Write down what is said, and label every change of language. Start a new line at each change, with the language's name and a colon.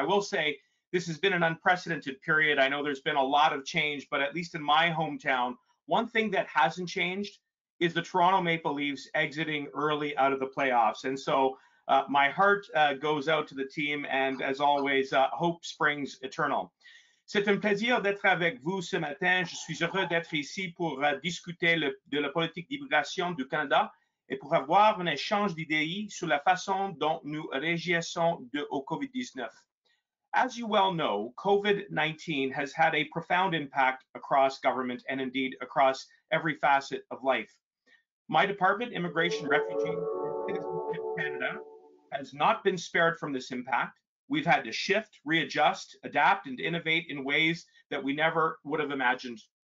English: I will say, this has been an unprecedented period. I know there's been a lot of change, but at least in my hometown, one thing that hasn't changed is the Toronto Maple Leafs exiting early out of the playoffs. And so my heart goes out to the team. And as always, hope springs eternal.
French: C'est un plaisir d'être avec vous ce matin. Je suis heureux d'être ici pour discuter de la politique d'immigration du Canada et pour avoir un échange d'idées sur la façon dont nous réagissons au COVID-19.
English: As you well know, COVID-19 has had a profound impact across government and indeed across every facet of life. My department, Immigration, Refugees, and Citizenship Canada, has not been spared from this impact. We've had to shift, readjust, adapt, and innovate in ways that we never would have imagined.